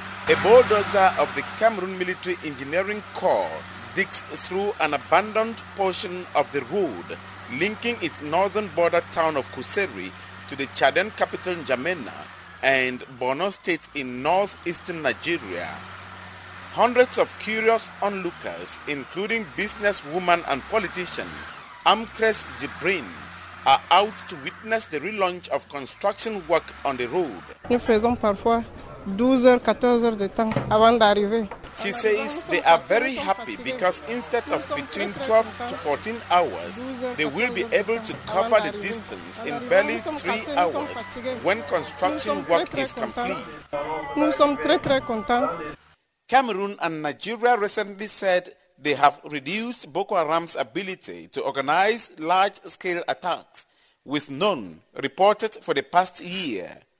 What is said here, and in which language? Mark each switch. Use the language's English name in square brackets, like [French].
[English] A bulldozer of the Cameroon Military Engineering Corps digs through an abandoned portion of the road linking its northern border town of Kusiri to the Chadian capital N'Djamena and Borno State in northeastern Nigeria. Hundreds of curious onlookers, including businesswoman and politician Amkres Jibrin, are out to witness the relaunch of construction work on the road. [French] Nous faisons parfois 12 heures, 14 heures de temps avant d'arriver. [English] She says they are very happy because instead of between 12 to 14 hours, they will be able to cover the distance in barely 3 hours when construction work is complete. [French] Nous sommes très très contents. [English] Cameroon and Nigeria recently said they have reduced Boko Haram's ability to organize large-scale attacks, with none reported for the past year.